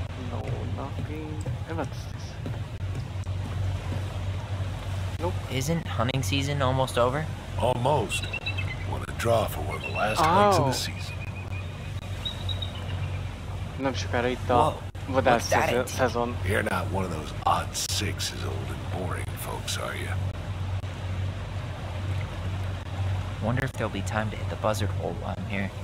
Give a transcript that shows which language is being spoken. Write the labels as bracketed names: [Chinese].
[English] No nothing. And what's this? Nope. Isn't hunting season almost over? Almost. What a draw for one of the last hunts of the season. [Hungarian] Nem sokára itt a vadász szezon. [English] You're not one of those odd sixes, old and boring folks, are you? Wonder if there'll be time to hit the buzzard hole while I'm here.